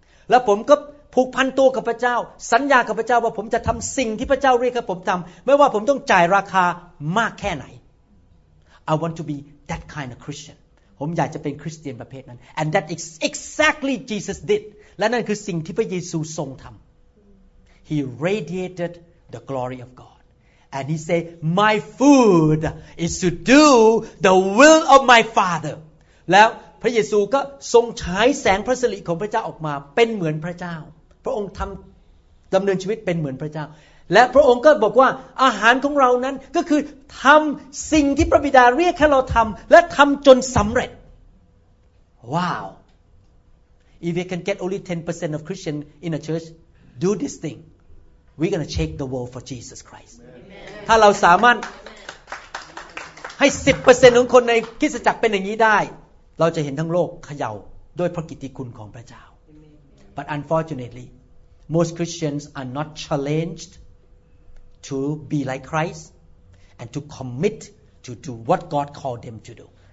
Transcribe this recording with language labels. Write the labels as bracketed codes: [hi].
[th] แล้วผมก็ผูกพันตัวกับพระเจ้าสัญญากับพระเจ้าว่าผมจะทำสิ่งที่พระเจ้าเรียกให้ผมทำไม่ว่าผมต้องจ่ายราคามากแค่ไหน [en] I want to be that kind of Christian. [th] ผมอยากจะเป็นคริสเตียนประเภทนั้น [en] And that is exactly Jesus did. [th] และนั่นคือสิ่งที่พระเยซูทรงทำ [en] He radiated the glory of God. And he said, "My food is to do the will of my Father." [th] แล้วพระเยซูก็ทรงฉายแสงพระสิริของพระเจ้าออกมาเป็นเหมือนพระเจ้าพระองค์ดำเนินชีวิตเป็นเหมือนพระเจ้าและพระองค์ก็บอกว่าอาหารของเรานั้นก็คือทำสิ่งที่พระบิดาเรียกให้เราทำและทำจนสำเร็จ Wow! [en] If we can get only 10% of Christians in a church do this thing, we're gonna shake the world for Jesus Christ. [th] ถ้าเราสามารถให้ 10% ของคนในคริสตจักรเป็นอย่างนี้ได้เราจะเห็นทั้งโลกเขย่าด้วยพระกิตติคุณของพระเจ้า [en] But unfortunately most Christians are not challenged to be like Christ and to commit to do what God called them to do